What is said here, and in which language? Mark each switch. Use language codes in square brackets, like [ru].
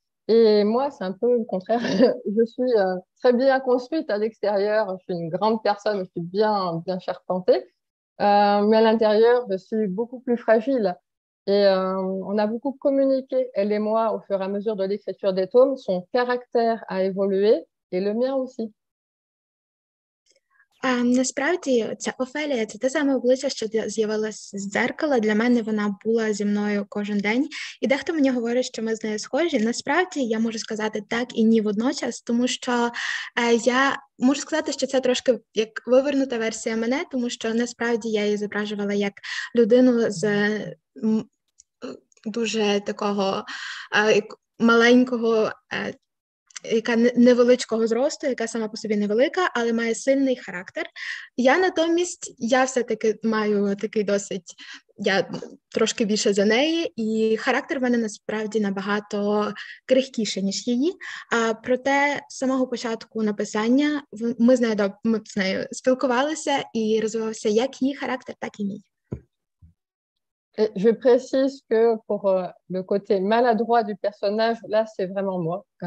[fr] Et moi, c'est un peu le contraire. Je suis très bien construite à l'extérieur. Je suis une grande personne, je suis bien, bien charpentée. Mais à l'intérieur, je suis beaucoup plus fragile. Et on a beaucoup communiqué, elle et moi, au fur et à mesure de l'écriture des tomes. Son caractère a évolué et le mien aussi. [uk] Насправді, ця Офелія – це те саме обличчя, що з'явилось з дзеркала. Для мене вона була зі мною кожен день. І дехто мені говорить, що ми з нею схожі. Насправді, я можу сказати так і ні водночас, тому що я можу сказати, що це трошки як вивернута версія мене, тому що насправді я її зображувала як людину з дуже такого маленького яка невеличкого зросту, яка сама по собі невелика, але має сильний характер. Я натомість, я все-таки маю такий досить, я трошки більше за неї, і характер в мене насправді набагато крихкіший, ніж її. А проте, з самого початку написання, ми з нею спілкувалися, і розвивався як її характер, так і мій. [fr] Et je précise que pour le côté maladroit du personnage, là, c'est vraiment moi.